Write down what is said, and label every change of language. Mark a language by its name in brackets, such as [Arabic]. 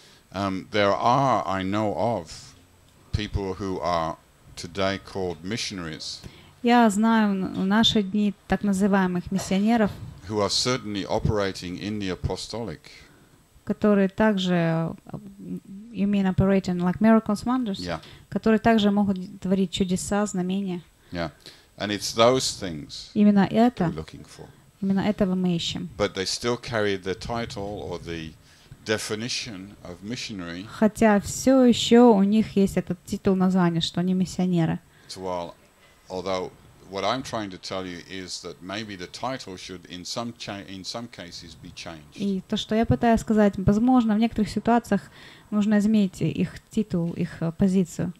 [English] There are, I know of, people who are today called missionaries. [Russian] Я знаю в наши дни так называемых миссионеров, [English] who are certainly operating in the apostolic, [Russian] которые также, [English] you mean operating like miracles, wonders, yeah, [Russian] которые также могут творить чудеса, знамения. [English] Yeah. And it's those things [Russian] именно это [English] looking for. [Russian] Именно этого мы ищем. [English] But they still carry the title or the definition of missionary. [Russian] Хотя все еще у них есть этот титул, название, что они миссионеры. [English] Although what I'm trying to tell you is that maybe the title should in some cases be changed. [Russian] И то, что я пытаюсь сказать, возможно, в некоторых ситуациях нужно изменить их титул, их позицию.